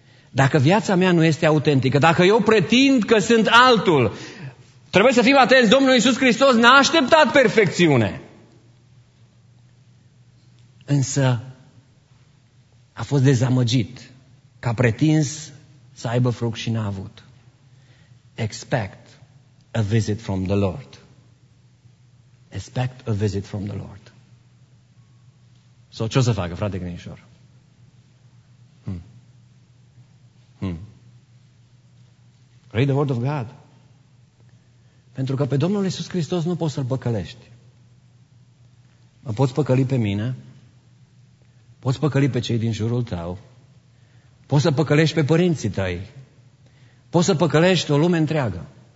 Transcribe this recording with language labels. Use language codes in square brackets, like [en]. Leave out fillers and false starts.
[ro] Dacă viața mea nu este autentică, dacă eu pretind că sunt altul, trebuie să fim atenți, Domnul Iisus Hristos n-a așteptat perfecțiune. Însă a fost dezamăgit că a pretins să aibă fruct și n-a avut. [en] Expect a visit from the Lord. Expect a visit from the Lord. [ro] Sau ce o să facă, frate Grinșor? [en] Read the word of God. [ro] Pentru că pe Domnul Iisus Hristos nu poți să-L păcălești. Mă poți păcăli pe mine, poți păcăli pe cei din jurul tău, poți să păcălești pe părinții tăi, poți să păcălești o lume întreagă.